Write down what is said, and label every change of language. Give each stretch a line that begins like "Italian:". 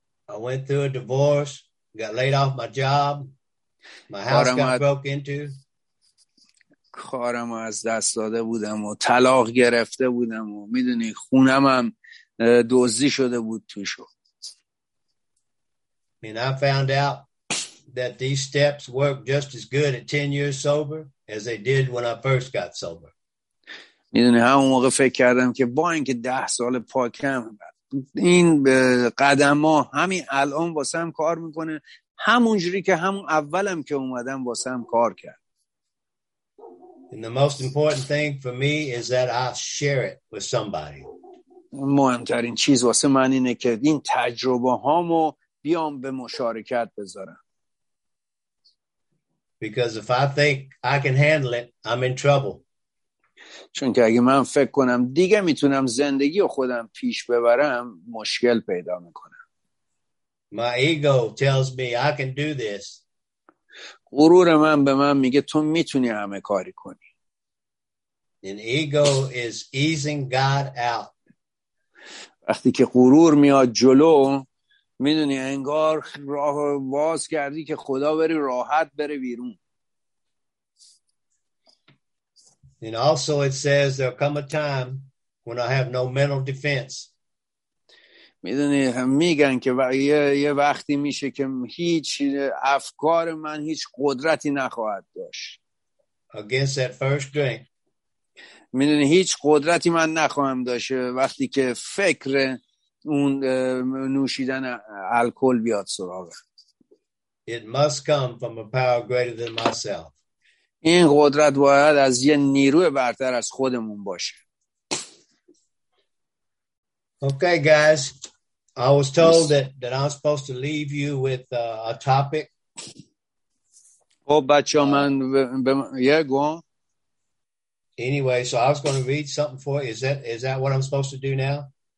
English: I went through a divorce, got laid off my job. My house got broke into.
Persian: کارم از دست داده بودم و طلاق گرفته بودم و می‌دونی خونم هم دزدی شده بود توش.
English: And I found out that these steps work just as good at 10 years sober as they did when I first got sober.
Persian: میدونی همون موقع فکر کردم که با اینکه 10 سال پاکم این قدم ها همین الان واسه هم کار میکنه، همون جوری که همون اولم که اومدم واسه هم کار کرد.
English: And the most important thing for me is that I share it with somebody.
Persian: مهمترین چیز واسه من اینه که این تجربه هامو بیام به مشارکت بذارم.
English: Because if I think I can handle it, I'm in trouble.
Persian: چون که اگه من فکر کنم دیگه میتونم زندگی خودم پیش ببرم، مشکل پیدا میکنم.
English: My ego tells me I can do this.
Persian: غرور من به من میگه تو میتونی همه کاری کنی.
English: And ego is easing God out.
Persian: وقتی که غرور میاد جلو، میدونی انگار راه باز کردی که خدا بری راحت بره بیرون.
English: And also it says there come a time when I have no mental defense.
Persian: میدونی میگن که یه وقتی میشه که هیچ افکار من هیچ قدرتی نخواهد داشت.
English: Against that first drink.
Persian: میدونی هیچ قدرتی من نخواهم داشت وقتی که فکر اون نوشیدن الکل بیاد سراغه.
English: It must come from a power greater than myself.
Persian: این قدرت باید از یه نیروی برتر از خودمون باشه.
English: Okay guys, I was told that I'm supposed to leave you with a topic.
Persian: خب بچه ها من یه گوان.
English: Anyway, so I was going to read something for you. Is that what I'm supposed to do now?